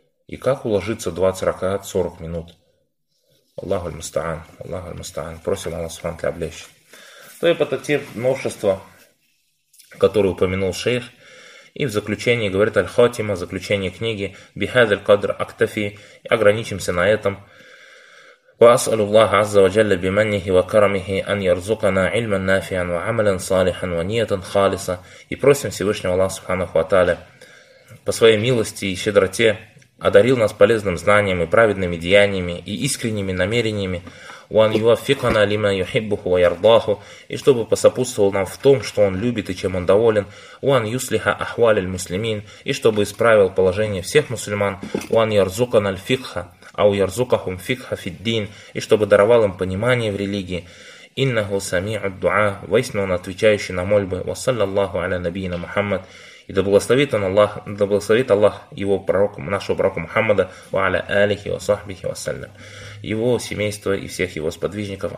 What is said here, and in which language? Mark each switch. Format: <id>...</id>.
<ru>И как уложиться 20 ракаат 40 минут?</ru> <ar>Аллаху аль-мустаан, Аллаху аль-мустаан.</ar> <ru>Просим Аллах субхана тааля облегчить. То и это те новшества, которые упомянул шейх. И в заключении говорит аль-хатима, заключение книги,</ru> <ar>бихадр кадр актафи,</ar> <ru>ограничимся на этом.</ru> <ar>وأسأل الله عز وجل بمنه وكرمه أن يرزقنا علما نافعا وعملا صالحا ونية خالصة.</ar> <ru>И просим Всевышнего Аллаха субханаху ва тааля по своей милости и щедроте одарил нас полезным знанием и праведными деяниями и искренними намерениями.</ru> <ar>وأن يوفقنا لما يحبه ويرضاه.</ar> <ru>И чтобы посопутствовал нам в том, что он любит и чем он доволен.</ru> <ar>وأن يصلح أحوال المسلمين.</ar> <ru>И чтобы исправил положение всех мусульман.</ru> <ar>وأن يرزقنا الفقه. أو يرزقهم فقه في الدين.</ar> <ru>И чтобы даровал им понимание в религии.</ru> <ar>إنه سميع الدعاء.</ar> <ru>Воистину он отвечающий на мольбы.</ru> <ar>وصلى الله على نبينا محمد.</ar> <ru>И да благословит он Аллах, да благословит Аллах его пророка, нашего пророка Мухаммада,</ru> <ar>ва аля алихи ва сахбихи ва саллям,</ar> <ru>его семейство и всех его сподвижников.</ru>